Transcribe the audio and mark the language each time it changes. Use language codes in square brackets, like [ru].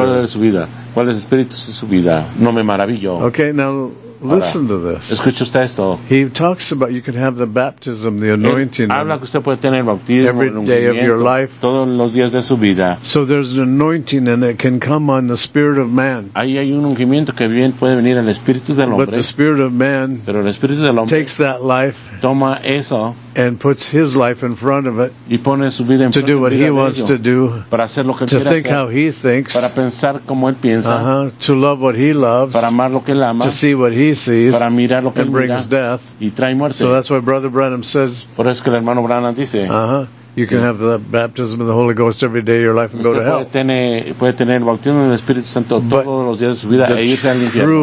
[es] ¿Cuál es su vida? ¿Cuál es el espíritu de su vida? No me maravillo. [en] Okay, now listen to this. [es] Escucha usted esto. [en] He talks about you can have the baptism, the anointing. [es] Habla que usted puede tener el bautismo, [en] every day of your life. [es] Todos los días de su vida. [en] So there's an anointing and it can come on the spirit of man. [es] Ahí hay un ungimiento que bien puede venir al espíritu del hombre. [en] But the spirit of man, [es] pero el espíritu del hombre, [en] takes that life, [es] toma eso, [en] and puts his life in front of it, [es] y pone su vida en [en] to do what he wants to do, [es] para hacer lo que [en] to think [es] hacer, [en] how he thinks, [es] para pensar como él piensa, [en] uh-huh, to love what he loves, [es] para amar lo que él ama, [en] to see what he sees, [es] para mirar lo que [en] and [es] él [en] brings [es] mira, [en] death. [es] Y trae muerte. [en] So that's why Brother Branham says, [es] por eso que el hermano Branham dice, [en] uh-huh, you sí can have the baptism of the Holy Ghost every day of your life and go to hell. [es] Puede tener el bautismo del Espíritu Santo todos los días de su vida e irse al infierno.